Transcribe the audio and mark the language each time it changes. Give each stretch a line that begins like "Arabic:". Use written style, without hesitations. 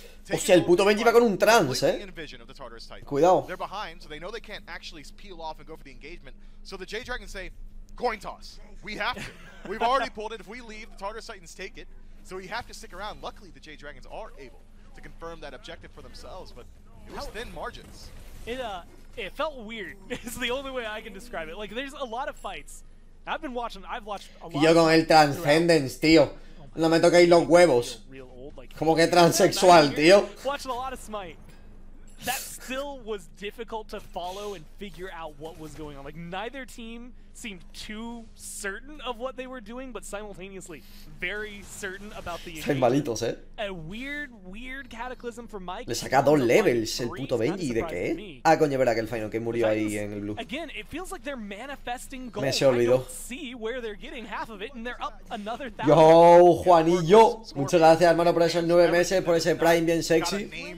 Spanish: Hostia, el puto Benji va con un trans, ¿eh? Cuidado.
English: They're behind, so they know they can't actually peel off and go for the engagement. So the Jade Dragons say, coin toss. We have to. We've already pulled it. If we leave, the Tartarus Titans take it. So we have to stick around. Luckily, the Jade Dragons are able to confirm that objective for themselves, but it was thin margins. It felt weird. It's the only way I can describe it. Like, there's a lot of fights. I've watched a lot.
Spanish: Yo con el Transcendence, tío. No me toquéis los huevos. Como que transexual, tío.
English: Watching a lot of Smite. that still was difficult to follow and figure out what was going on. Like, neither team seemed too certain of what they were doing, but simultaneously very certain about the engagement.
Spanish: Están malitos, eh?
English: A weird, weird cataclysm for Mike.
Spanish: Le saca dos levels el puto Benji, ¿de qué? Ah, coño, verá que el final que murió ahí en el blue.
English: Again, it feels like they're manifesting gold.
Spanish: Me se olvidó.
English: See where they're getting half of it, and they're up another thousand.
Spanish: Yo, Juanillo. Muchas gracias, hermano, por esos 9 meses, por ese prime bien sexy.